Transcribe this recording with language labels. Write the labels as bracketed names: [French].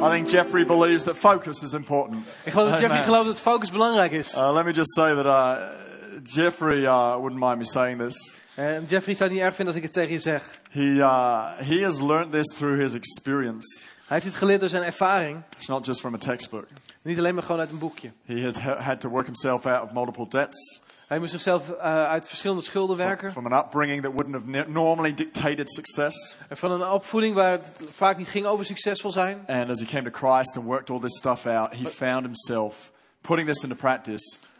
[English] I think Jeffrey believes that focus is important. [Dutch] Ik geloof dat focus belangrijk is. [English] Let me just say that Jeffrey wouldn't mind me saying this. [Dutch] Jeffrey zou het niet erg vinden als ik het tegen je zeg. [English] He has learned this through his experience. [Dutch] Hij heeft dit geleerd door zijn ervaring. [English] It's not just from a textbook. [Dutch] Niet alleen maar gewoon uit een boekje. [English] He had to work himself out of multiple debts. [Dutch] Hij moest zichzelf uit verschillende schulden werken. [English] From an upbringing that wouldn't have normally dictated success. [Dutch] En van een opvoeding waar het vaak niet ging over succesvol zijn. [English] And as he came to Christ and worked all this stuff out, he found himself putting this into practice.